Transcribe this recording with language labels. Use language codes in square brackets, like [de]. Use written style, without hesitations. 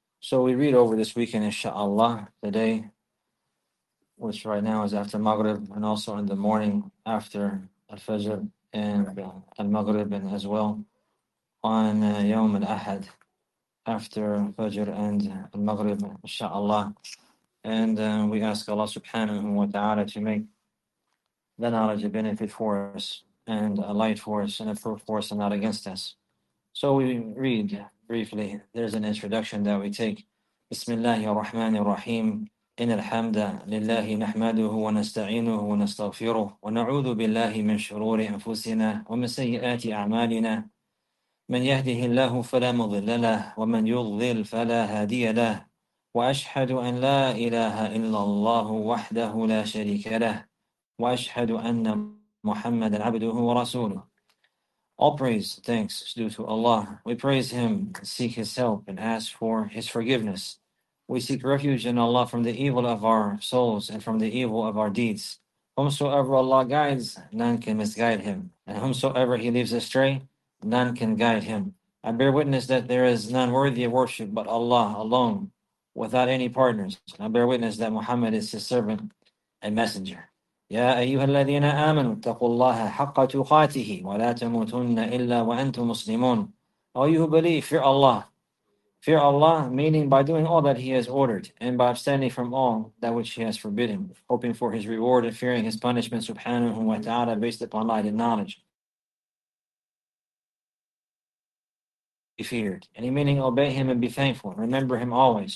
[en] So we read over this weekend, inshallah, today, which right now is after Maghrib, and also in the morning after Al-Fajr and Al-Maghrib, and as well on Yawm Al-Ahad after Fajr and Al-Maghrib, inshallah. And we ask Allah subhanahu wa ta'ala to make the knowledge a benefit for us, and a light for us, and a proof for us, and not against us. So we read briefly. There's an introduction that we take. [ar] بسم الله الرحمن الرحيم إن الحمد لله نحمده ونستعينه ونستغفره ونعوذ بالله من شرور أنفسنا ومن سيئات أعمالنا من يهده الله فلا مضل له ومن يضلل فلا هادي له وأشهد أن لا إله إلا الله وحده لا شريك له وأشهد أن محمد عبده ورسوله. [en] All praise, thanks is due to Allah. We praise Him, seek His help, and ask for His forgiveness. We seek refuge in Allah from the evil of our souls and from the evil of our deeds. Whomsoever Allah guides, none can misguide him. And whomsoever He leaves astray, none can guide him. I bear witness that there is none worthy of worship but Allah alone, without any partners. I bear witness that Muhammad is His servant and messenger. [ar] يا أيها الذين آمنوا اتقوا الله حق تقاته ولا تموتن إلا وأنتم مسلمون. [en] All you who believe, fear Allah. Fear Allah, meaning by doing all that He has ordered, and by abstaining from all that which He has forbidden, hoping for His reward and fearing His punishment, subhanahu wa ta'ala, based upon light and knowledge. Be feared. Any meaning, obey Him and be thankful. Remember Him always.